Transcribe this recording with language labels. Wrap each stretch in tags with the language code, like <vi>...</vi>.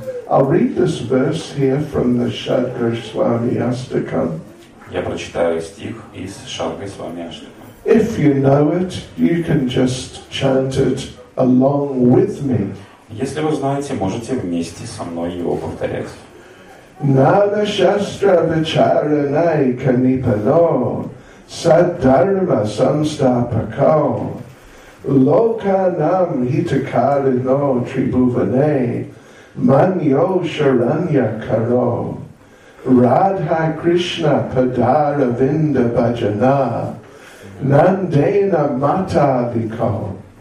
<en>I'll read this verse here from the Shad Goswami Ashtakam.</en> <ru>Я прочитаю стих из Шад Госвами Аштакам.</ru> <en>If you know it, you can just chant it along with me.</en> <ru>Если вы знаете, можете вместе со мной его повторять.</ru> <sa>Нана Шастра Вичаранай Канипано Саддарма Самстапакао Локанам Хитакарино Трибуване Manyo Sharanya Karo Radha Krishna Padara Vinda Bhajana Nandena Mata Viko</sa>